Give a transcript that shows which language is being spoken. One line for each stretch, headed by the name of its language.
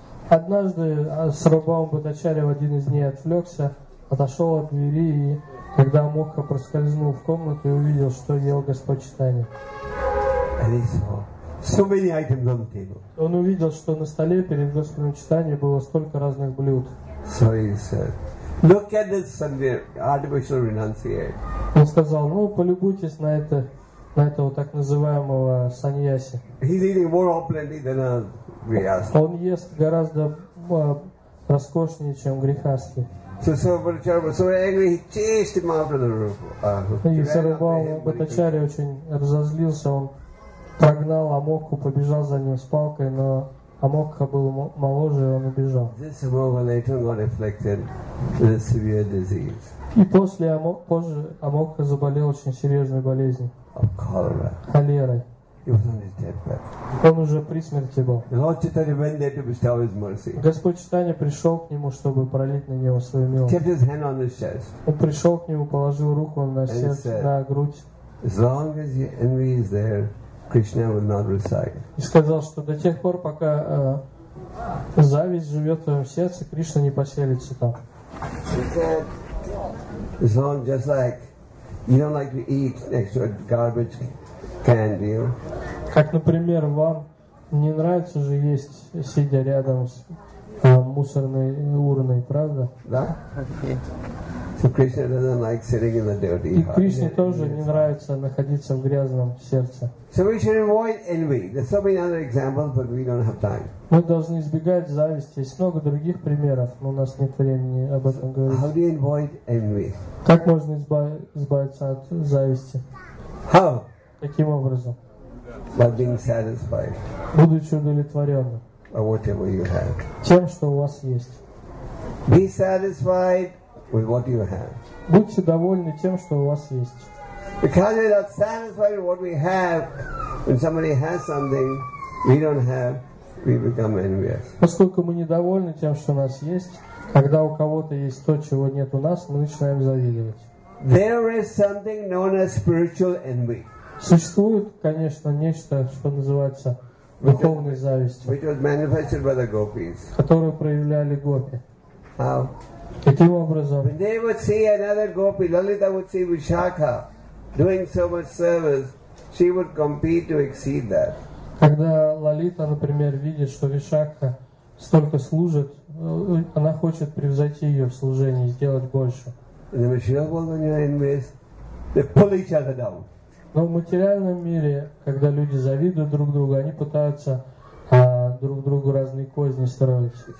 Russian: Однажды Сарвабхаума Бхаттачарья в один из дней отвлекся, отошел от двери, и когда Амогха проскользнул в комнату и увидел, что ел Господь Чайтанья.
English: And he saw so many items on the table.
Russian: Он увидел, что на столе перед Господом Чайтаньей было столько разных блюд.
English: So he said, look at this artificial renunciate.
Russian: Он сказал, полюбуйтесь на это, на этого так называемого саньяси.
English: He's eating more opulently than a grihastha.
Russian: Он ест гораздо роскошнее, чем грихастхи.
English: So Сарвабхаумачарья was so angry, he chased him out of the room.
Russian: И Сарвабхаума Бхаттачарья очень разозлился, он прогнал Амогху, побежал за ним с палкой, но Амогха был моложе, и он убежал.
English: This Амогха later got afflicted with a severe disease.
Russian: И после позже Амогха заболел очень серьезной болезнью.
English: Of cholera.
Russian: Холерой.
English: He was on his deathbed.
Russian: Он уже при смерти был.
English: Lord Chaitanya went there to bestow his mercy.
Russian: Господь Чайтанья пришел к нему, чтобы пролить на него свою милость.
English: He kept his hand on his chest.
Russian: Он пришел к нему, положил руку на сердце, на грудь.
English: As long as your envy is there, Krishna will not reside.
Russian: И сказал, что до тех пор, пока зависть живет в твоем сердце, Кришна не поселится там.
English: He said, as long just like you don't like to eat next to a garbage can, do you?
Russian: Как, например, вам не нравится же есть, сидя рядом с мусорной урной, правда? Да.
English: So Krishna doesn't like sitting in the dirty heart.
Russian: И Кришне тоже не нравится находиться в грязном сердце.
English: So we should avoid envy. There's so many other examples, but we don't have time.
Russian: Мы должны избегать зависти. Есть много других примеров, но у нас нет времени об этом говорить.
English: How do you avoid envy?
Russian: Как можно избавиться от зависти?
English: How?
Russian: Каким образом?
English: By being satisfied.
Russian: Будучи удовлетворенным.
English: Or whatever you have.
Russian: Тем, что у вас есть.
English: Be satisfied with what you have.
Russian: Будьте довольны тем, что у вас есть.
English: Because we're not satisfied with what we have, when somebody has something we don't have, we become envious.
Russian: Поскольку мы недовольны тем, что у нас есть, когда у кого-то есть то, чего нет у нас, мы начинаем завидовать.
English: There is something known as spiritual envy.
Russian: Существует, конечно, нечто, что называется духовной завистью.
English: Which was manifested by the gopis.
Russian: Которую проявляли гопи.
English: How?
Russian: Каким образом?
English: When they would see another gopi, Lalita would see Vishakha doing so much service, she would compete to exceed that.
Russian: Когда Лалита, например, видит, что Вишакха столько служит, она хочет превзойти ее в служении, сделать больше.
English: And when she was on your envies, they pull each other down.
Russian: Но в материальном мире, когда люди завидуют друг другу, они пытаются друг другу разные козни строить.